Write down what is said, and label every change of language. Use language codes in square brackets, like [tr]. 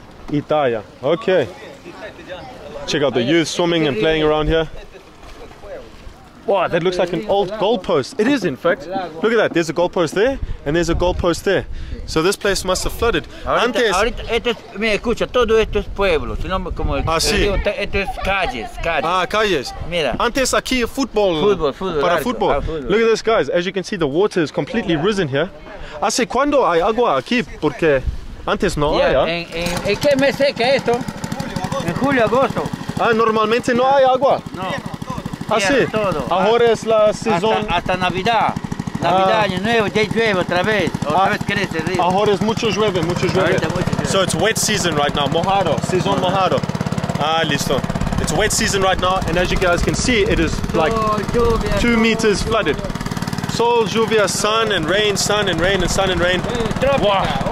[en] Itaya. Okay. Check out the youth swimming and playing around here. Wow, that looks like an old goalpost. It is, in fact. Look at that. There's a goalpost there, and there's a goalpost there. So this place must have flooded. [es] Antes. Ahorita, mira, escucha, todo esto es pueblo. Ah, sí. Esto es calles. Ah, calles. Mira. Antes aquí fútbol. Fútbol. [en] Look at this, guys. As you can see, the water is completely risen here. [es] ¿Hace cuándo hay agua aquí? Porque antes no había. Yeah, ¿En qué mes seca esto? En julio, agosto. Ah, normalmente no hay agua. No. Ah, sí. Todo. Ahora es la sezón. Hasta Navidad. Navidad, año nuevo, ya llueve otra vez. Otra vez crece el río. Ahora es mucho llueve. Ahorita mucho llueve. [en] So it's wet season right now. [es] Mojado. Sezón mojado. Ah, listo. [en] It's wet season right now, and as you guys can see, it is like two meters flooded. [es] Sol, lluvia, [en] sun and rain, sun and rain and sun and rain. Tropica. Wow.